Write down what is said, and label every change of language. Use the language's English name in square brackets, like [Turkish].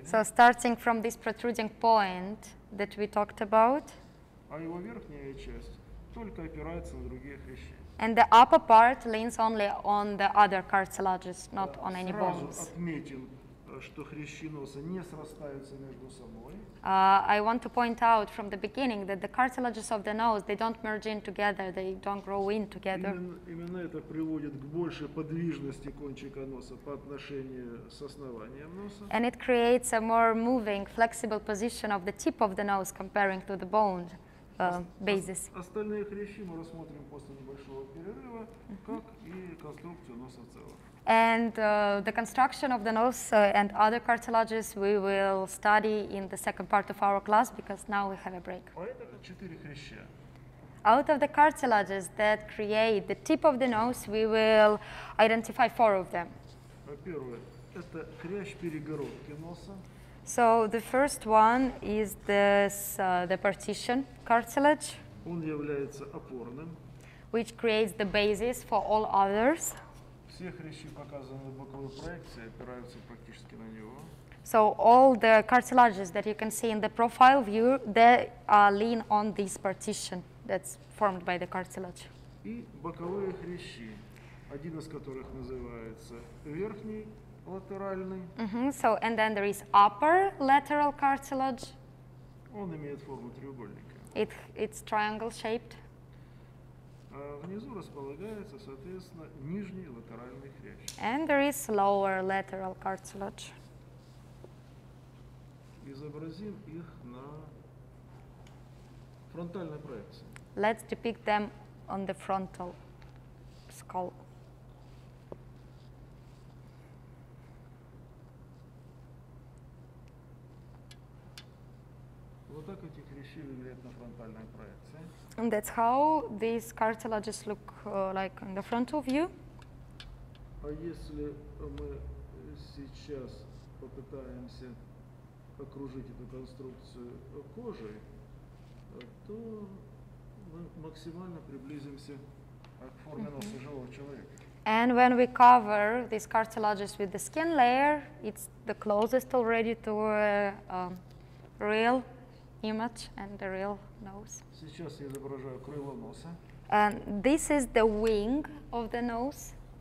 [English] So starting from this protruding point that we talked about. [Russian] А его верхняя часть только опирается на другие хрящи. [English] And the upper part leans only on the other cartilages, not on any bones. [Russian] Отметим, что хрящи носа не срастаются между собой. [English] I want to point out from the beginning that the cartilages of the nose, they don't merge in together, they don't grow in together. [Russian] Именно это приводит к большей подвижности кончика носа по отношению с основанием носа. [English] And it creates a more moving, flexible position of the tip of the nose comparing to the bone. Basis. [Russian] Остальные хрящи мы рассмотрим после небольшого перерыва, как и конструкцию носа в целом. [English] And the construction of the nose and other cartilages we will study in the second part of our class, because now we have a break. [Russian] Четыре хряща. [English] Out of the cartilages that create the tip of the nose, we will identify four of them. [Russian] Первое – это хрящ перегородки носа. [English] So the first one is this the partition cartilage. [Russian] Он является опорным. [English] Which creates the basis for all others. [Russian] Все хрящи показаны в боковой проекции, опираются практически на него. [English] So all the cartilages that you can see in the profile view, they lean on this partition that's formed by the cartilage. [Russian] И боковые хрящи, один из которых называется верхний. Mm-hmm. [English] So, and then there is upper lateral cartilage. [Russian] Он имеет форму треугольника. [English] It's triangle shaped. [Russian] А внизу располагается, соответственно, нижний латеральный хрящ. [English] And there is lower lateral cartilage. [Russian] Изобразим их на фронтальной проекции. [English] Let's depict them on the frontal skull. [Russian] Вот так эти хрящи выглядят на фронтальной проекции. [English] And that's how these cartilages look like in the frontal view. [Russian] А если мы сейчас попытаемся окружить эту конструкцию кожей, то мы максимально приблизимся к форме носа mm-hmm. живого человека. [English] And when we cover these cartilages with the skin layer, it's the closest already to real image and the real nose. [Russian] Сейчас я изображаю крыло носа. [English] And this is the wing of the nose.